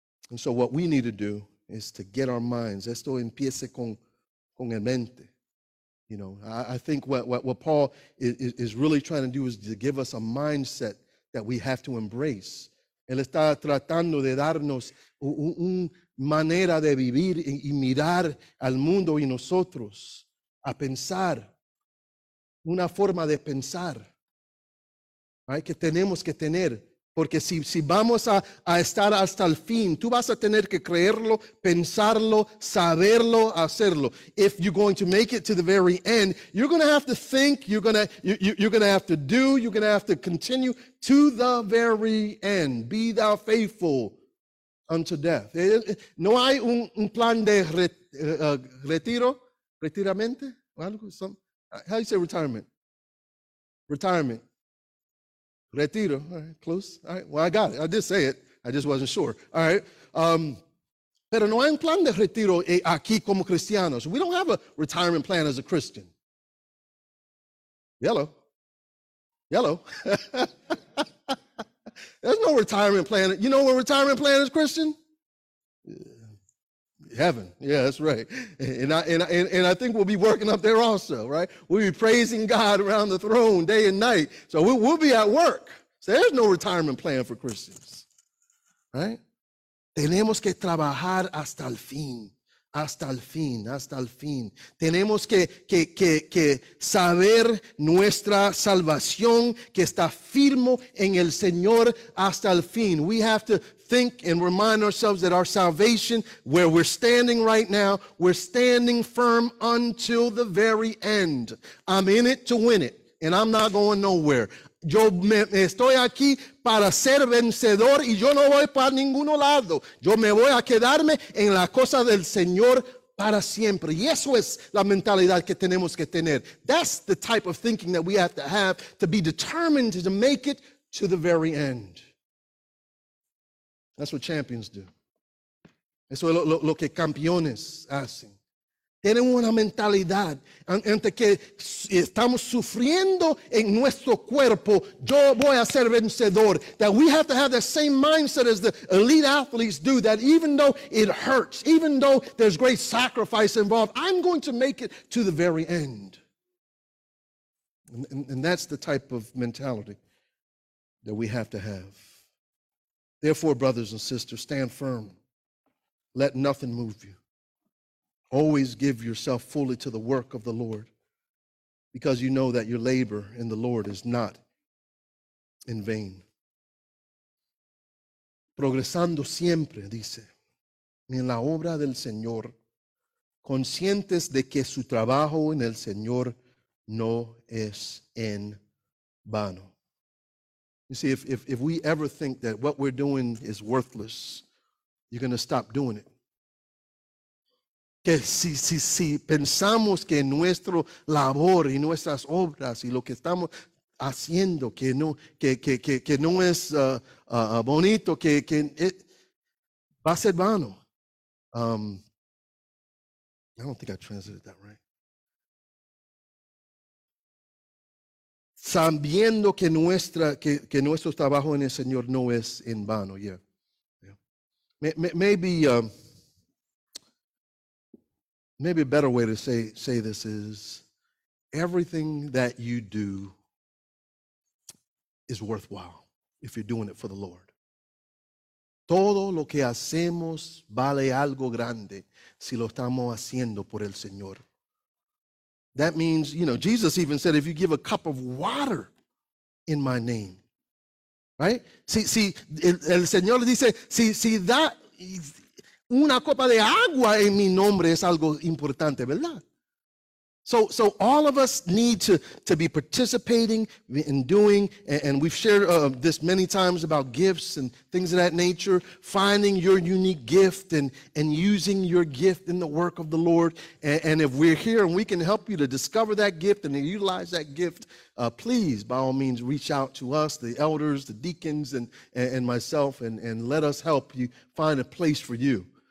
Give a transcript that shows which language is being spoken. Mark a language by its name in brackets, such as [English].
[English] And so what we need to do is to get our minds. [Spanish] Esto empieza con el mente. [English] You know, I think what Paul is really trying to do is to give us a mindset that we have to embrace. [Spanish] Él está tratando de darnos un manera de vivir y mirar al mundo y nosotros, a pensar, una forma de pensar, ¿vale? Que tenemos que tener. Porque si vamos a estar hasta el fin, tú vas a tener que creerlo, pensarlo, saberlo, hacerlo. [English] If you're going to make it to the very end, you're going to have to think, you're going to have to do, you're going to have to continue to the very end. Be thou faithful unto death. [Spanish] No hay un plan de retiro, retiramente, [English] how do you say retirement? Retirement. Retiro, all right, close. All right, well, I got it. I did say it. I just wasn't sure. All right. [Spanish] Pero no hay un plan de retiro aquí como cristianos. [English] We don't have a retirement plan as a Christian. Yellow. Yellow. There's no retirement plan. You know what retirement plan is, Christian? Heaven. Yeah, that's right. And I think we'll be working up there also, right? We'll be praising God around the throne day and night. So we'll be at work. So there's no retirement plan for Christians, right? [Spanish] Tenemos que trabajar hasta el fin, hasta el fin, hasta el fin. Tenemos que saber nuestra salvación que está firme en el Señor hasta el fin. [English] We have to think and remind ourselves that our salvation, where we're standing right now, we're standing firm until the very end. I'm in it to win it, and I'm not going nowhere. [Spanish] Yo estoy aquí para ser vencedor, y yo no voy para ningún lado. Yo me voy a quedarme en la cosa del Señor para siempre. Y eso es la mentalidad que tenemos que tener. [English] That's the type of thinking that we have, to be determined to make it to the very end. That's what champions do. [Spanish] Eso es lo que campeones hacen. Tienen una mentalidad ante que estamos sufriendo en nuestro cuerpo. Yo voy a ser vencedor. [English] That we have to have the same mindset as the elite athletes do. That even though it hurts, even though there's great sacrifice involved, I'm going to make it to the very end. And that's the type of mentality that we have to have. Therefore, brothers and sisters, stand firm. Let nothing move you. Always give yourself fully to the work of the Lord, because you know that your labor in the Lord is not in vain. [Spanish] Progresando siempre, dice, en la obra del Señor, conscientes de que su trabajo en el Señor no es en vano. [English] You see, if we ever think that what we're doing is worthless, you're going to stop doing it. [Spanish] Que si pensamos que nuestro labor y nuestras obras y lo que estamos haciendo que no es bonito, que va a ser vano. [English] I don't think I translated that right. [Spanish] Sabiendo que nuestro trabajo en el Señor no es en vano. [English] Maybe a better way to say this is, everything that you do is worthwhile if you're doing it for the Lord. [Spanish] Todo lo que hacemos vale algo grande si lo estamos haciendo por el Señor. [English] That means, you know, Jesus even said, if you give a cup of water in my name, right? [Spanish] Si el Señor dice, si da una copa de agua en mi nombre es algo importante, ¿verdad? [English] So all of us need to be participating and doing, and we've shared this many times about gifts and things of that nature, finding your unique gift and using your gift in the work of the Lord. And if we're here and we can help you to discover that gift and to utilize that gift, please, by all means, reach out to us, the elders, the deacons, and myself, and let us help you find a place for you.